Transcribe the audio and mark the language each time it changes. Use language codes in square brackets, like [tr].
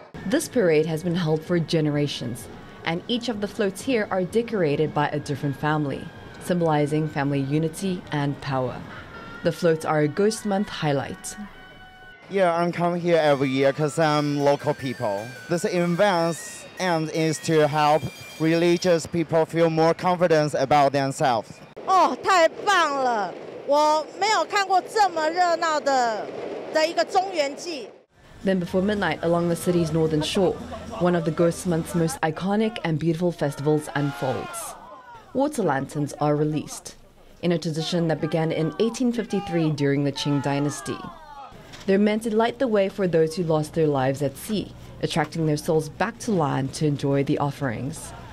[en] This parade has been held for generations, and each of the floats here are decorated by a different family, symbolizing family unity and power. The floats are a Ghost Month highlight. Yeah, I'm coming here every year because I'm local people. This event's aim is to help religious people feel more confident about themselves. [zh] Oh, 太棒了！我没有看过这么热闹的一个中元祭。 [en] Then before midnight, along the city's northern shore, one of the Ghost Month's most iconic and beautiful festivals unfolds. Water lanterns are released, in a tradition that began in 1853 during the Qing Dynasty. They're meant to light the way for those who lost their lives at sea, attracting their souls back to land to enjoy the offerings.